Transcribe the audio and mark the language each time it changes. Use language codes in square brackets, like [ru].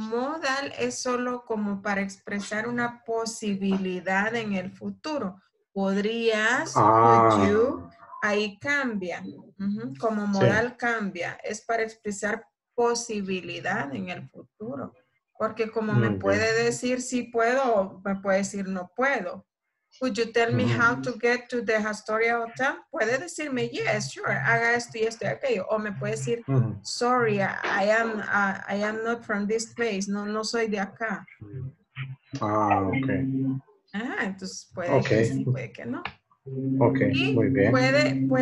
[es] Modal es solo como para expresar una posibilidad en el futuro. Podrías, [en] would you, [es] ahí cambia. Como modal cambia. Es para expresar posibilidad en el futuro. Porque como me puede decir si puedo, me puede decir no puedo. [en] Could you tell me how to get to the Astoria Hotel? [es] Puede decirme, [en] yes, sure, [es] haga esto y esto y aquello. O me puede decir, [en] sorry, I am not from this place. [es] No, no soy de acá. Entonces puede que sí, puede que no. Okay, muy bien.